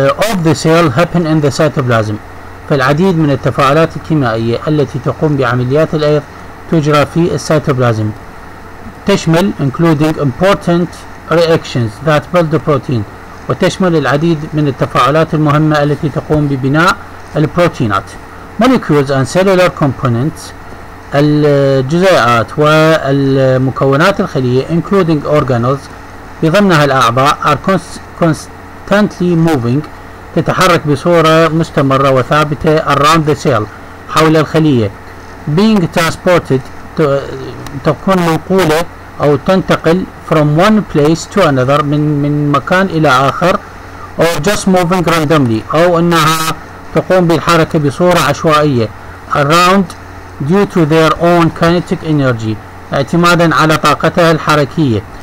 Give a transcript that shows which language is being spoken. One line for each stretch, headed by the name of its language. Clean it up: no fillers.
English: Of the cell happen in the cytoplasm.
Arabic: فالعديد من التفاعلات الكيميائية التي تقوم بعمليات الأيض تجرى في السيتوبلازم، تشمل
English: including important reactions that build the protein،
Arabic: وتشمل العديد من التفاعلات المهمة التي تقوم ببناء البروتينات.
English: Molecules and cellular components،
Arabic: الجزيئات والمكونات الخلية
English: including organelles
Arabic: بضمنها الأعضاء
English: are constantly moving،
Arabic: تتحرك بصورة مستمرة وثابتة
English: around the cell
Arabic: حول الخلية.
English: Being transported
Arabic: تكون منقولة أو تنتقل
English: from one place to another
Arabic: من مكان إلى آخر، أو
English: just moving randomly
Arabic: أو أنها تقوم بالحركة بصورة عشوائية
English: around due to their own kinetic energy
Arabic: اعتمادا على طاقتها الحركية.